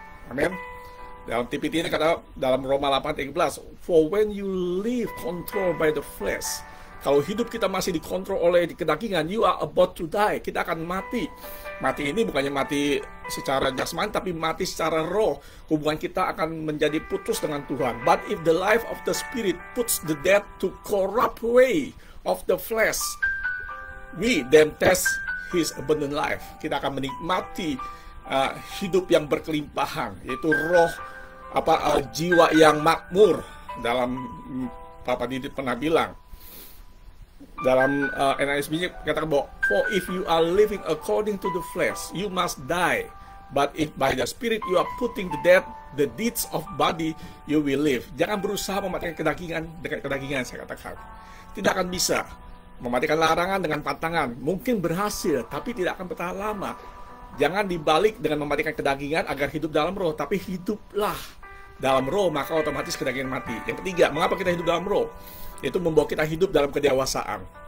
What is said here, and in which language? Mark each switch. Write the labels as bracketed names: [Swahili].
[Indonesian] Amin. Dalam TPT ini kata dalam Roma 8:13, [English] for when you live controlled by the flesh, [Indonesian] kalau hidup kita masih dikontrol oleh kedagingan, [English] you are about to die. [Indonesian] Kita akan mati. Mati ini bukannya mati secara jasman, tapi mati secara roh. Hubungan kita akan menjadi putus dengan Tuhan. [English] But if the life of the spirit puts the death to corrupt way of the flesh, we then test his abundant life. [Indonesian] Kita akan menikmati hidup yang berkelimpahan, yaitu roh, jiwa yang makmur. Dalam Papa Didit pernah bilang, dalam NASB nya katakan bahwa, [English] for if you are living according to the flesh, you must die. But if by the spirit you are putting to death the deeds of body, you will live. [Indonesian] Jangan berusaha mematikan kedagingan dengan kedagingan, saya katakan. Tidak akan bisa mematikan larangan dengan pantangan. Mungkin berhasil, tapi tidak akan bertahan lama. Jangan dibalik dengan mematikan kedagingan agar hidup dalam roh. Tapi hiduplah dalam roh, maka otomatis kedagingan mati. Yang ketiga, mengapa kita hidup dalam roh? Itu membawa kita hidup dalam kedewasaan.